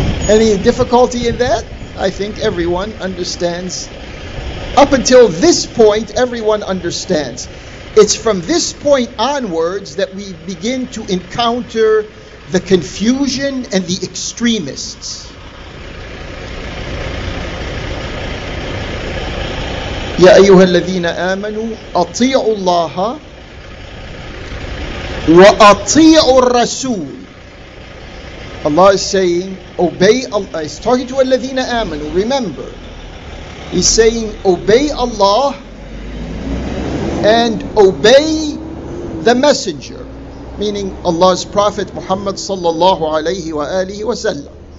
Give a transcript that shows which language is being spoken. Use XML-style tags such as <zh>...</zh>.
<en>Any difficulty in that? I think everyone understands. Up until this point, everyone understands. It's from this point onwards that we begin to encounter the confusion and the extremists.</en> <ar>يا أيها الذين آمنوا أطيعوا الله وأطيعوا الرسول.</ar> <en>Allah is saying, obey Allah. He's talking to</en> <ar>الذين آمنوا.</ar> <en>Remember, he's saying, obey Allah and obey the messenger, meaning Allah's prophet Muhammad sallallahu alayhi wa alihi wa sallam.</en>